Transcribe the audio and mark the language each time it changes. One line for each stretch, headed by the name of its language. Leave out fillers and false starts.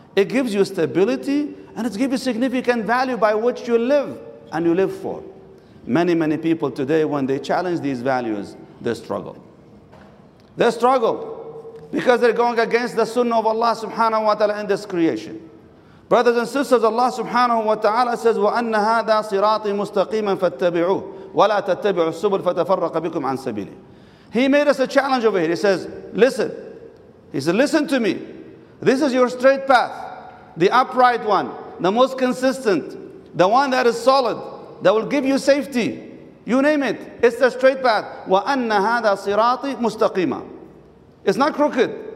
English: It gives you stability, and it gives you significant value by which you live and you live for. Many, many people today, when they challenge these values, they struggle. They struggle because they're going against the sunnah of Allah subhanahu wa ta'ala in this creation. Brothers and sisters, Allah subhanahu wa ta'ala says,
Arabic: وَأَنَّ هَذَا صِرَاطِي مُسْتَقِيمًا فَاتَّبِعُوهُ وَلَا تَتَّبِعُوا السُّبُلْ فَتَفَرَّقَ بِكُمْ عَنْ سَبِيلِهِ.
English: He made us a challenge over here. He says, listen. He said, listen to me. This is your straight path, the upright one, the most consistent, the one that is solid, that will give you safety. You name it. It's the straight path.
Arabic: وَأَنَّ هَذَا صِرَاطِي مُسْتَقِيمًا.
English: It's not crooked.